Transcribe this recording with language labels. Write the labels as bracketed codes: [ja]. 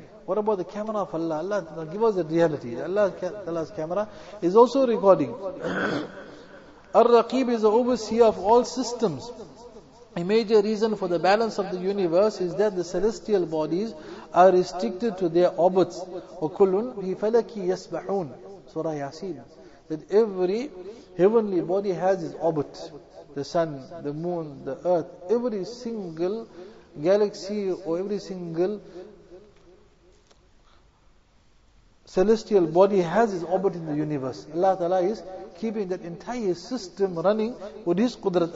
[en] What about the camera of Allah? Allah, give us the reality. Allah's camera is also recording. Ar-Raqib is the overseer of all systems. A major reason for the balance of the universe is that the celestial bodies are restricted to their orbits. [ar] وَكُلٌ فِي فَلَكِ يَسْبَحُونَ Surah Yasin. [en] That every heavenly body has its orbit. The sun, the moon, the earth, every single galaxy or every single celestial body has its orbit in the universe. Allah Ta'ala is keeping that entire system running with His Qudrat.